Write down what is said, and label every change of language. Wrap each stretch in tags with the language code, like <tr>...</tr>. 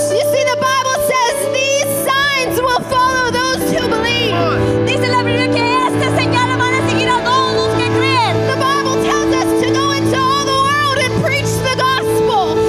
<en>You see, the Bible says these signs will follow those who believe.</en> <es>Dice la Biblia que estas señales van a seguir a todos los que creen.</es> <en>The Bible tells us to go into all the world and preach the gospel.</en>